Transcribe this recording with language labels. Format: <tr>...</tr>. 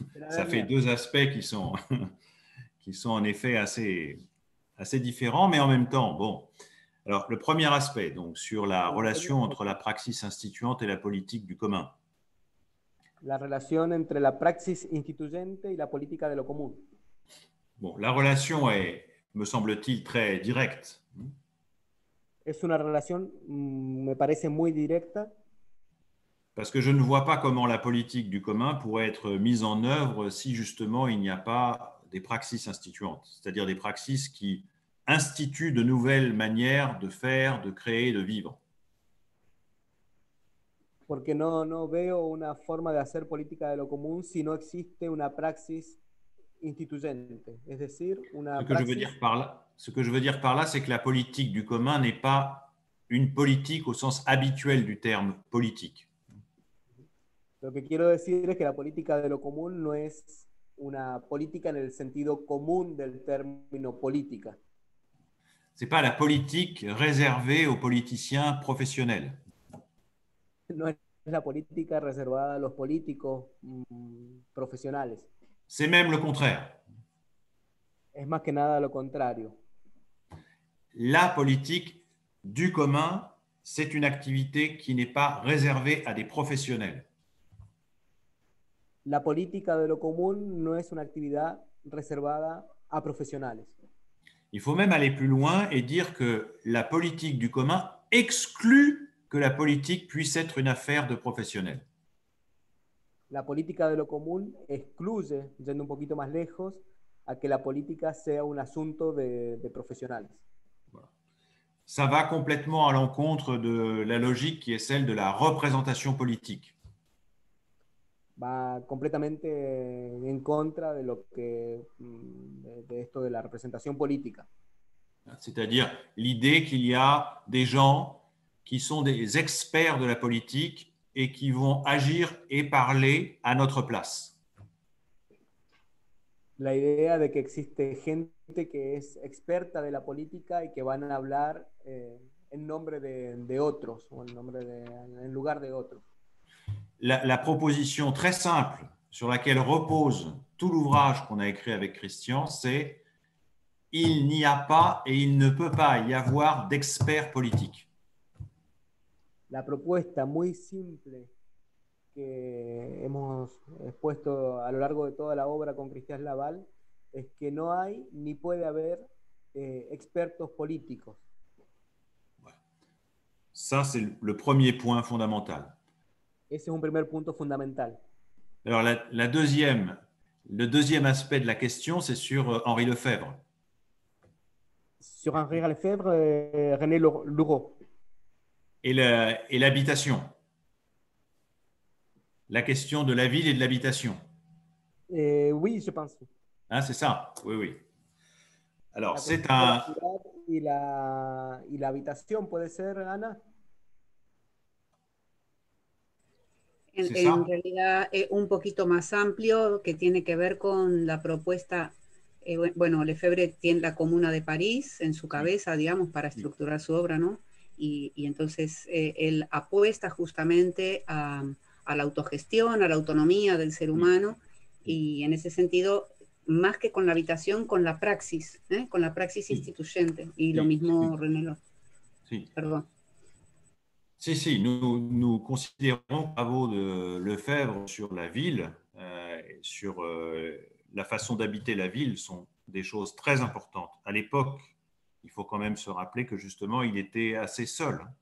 <fr>Ça fait deux aspects qui sont en effet assez différents, mais en même temps, bon. Alors, le premier aspect, donc, sur la relation entre la praxis instituante et la politique du commun.</fr> <es>La relación entre la praxis instituyente y la política de lo común.</es> <fr>Bon,</fr> <es>la relación es,</es> <fr>me semble-t-il, très directe.</fr> <es>Es una relación, me parece, muy directa.</es> <fr>Parce que je ne vois pas comment la politique du commun pourrait être mise en œuvre si justement il n'y a pas des praxis instituantes, c'est-à-dire des praxis qui instituent de nouvelles manières de faire, de créer, de vivre.</fr> <es>Porque no veo una forma de hacer política de lo común si no existe una praxis instituyente. Es decir, una praxis...</es> <fr>Ce que je veux dire par là, c'est que la politique du commun n'est pas une politique au sens habituel du terme politique.</fr> <es>Lo que quiero decir es que la política de lo común no es una política en el sentido común del término política.</es> <fr>C'est pas la politique réservée aux politiciens professionnels.</fr> <es>No es la política reservada a los políticos profesionales.</es> <fr>C'est même le contraire.</fr> <es>Es más que nada lo contrario.</es> <fr>La politique du commun, c'est une activité qui n'est pas réservée à des professionnels.</fr> <es>La política de lo común no es una actividad reservada a profesionales.</es> <fr>Il faut même aller plus loin et dire que la politique du commun exclut que la politique puisse être une affaire de professionnels.</fr> <es>La política de lo común excluye, yendo un poquito más lejos, a que la política sea un asunto de profesionales.</es> <fr>Ça va complètement à l'encontre de la logique qui est celle de la représentation politique.</fr> <es>Va completamente en contra de lo que de esto de la representación política.</es> <fr>C'est-à-dire l'idée qu'il y a des gens qui sont des experts de la politique et qui vont agir et parler à notre place.</fr> <es>La idea de que existe gente que es experta de la política y que van a hablar en nombre de otros o en nombre de en lugar de otros.</es> <fr>La proposition très simple sur laquelle repose tout l'ouvrage qu'on a écrit avec Christian, c'est « Il n'y a pas et il ne peut pas y avoir d'experts politiques ».</fr> <es>La propuesta muy simple que hemos expuesto a lo largo de toda la obra con Cristian Laval es que no hay ni puede haber expertos políticos.</es> <fr>Ça, c'est le premier point fondamental.</fr> <es>Ese es un primer punto fundamental.</es> <fr>Alors, le deuxième aspect de la question, c'est sur Henri Lefebvre. Sur Henri Lefebvre, René Lourot. Et l'habitation. La question de la ville et de l'habitation. Oui, je pense. Hein, c'est ça, oui. Alors, la c'est un... Et l'habitation peut être, Anna?</fr> <es>En realidad es un poquito más amplio, que tiene que ver con la propuesta, bueno, Lefebvre tiene la Comuna de París en su cabeza, digamos, para estructurar su obra, ¿no? Y entonces él apuesta justamente a la autogestión, a la autonomía del ser humano, y en ese sentido, más que con la habitación, con la praxis, ¿eh? Con la praxis instituyente, y lo mismo René Lor. Sí. Perdón.</es> <fr>Si, si, nous considérons les travaux de Lefebvre sur la ville, sur la façon d'habiter la ville, sont des choses très importantes. À l'époque, il faut quand même se rappeler que justement, il était assez seul.</fr>